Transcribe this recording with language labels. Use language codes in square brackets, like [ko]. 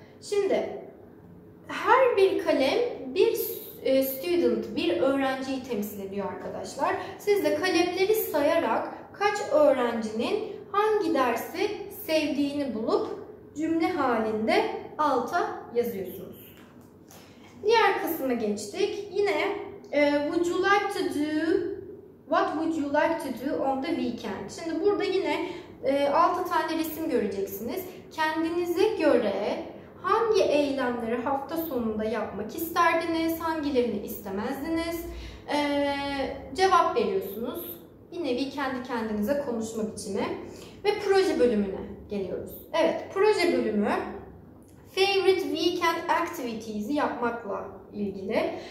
[tr] Şimdi her bir kalem bir student, bir öğrenciyi temsil ediyor arkadaşlar. Siz de kalemleri sayarak kaç öğrencinin hangi dersi sevdiğini bulup cümle halinde alta yazıyorsunuz. Diğer kısma geçtik. Yine [en] would you like to do, what would you like to do on the weekend? [tr] Şimdi burada yine 6 tane resim göreceksiniz. Kendinize göre hangi eylemleri hafta sonunda yapmak isterdiniz, hangilerini istemezdiniz? Cevap veriyorsunuz. Bir nevi kendi kendinize konuşma biçimi. Ve proje bölümüne geliyoruz. Evet, proje bölümü [en] favorite weekend activities [tr] yapmakla ilgili.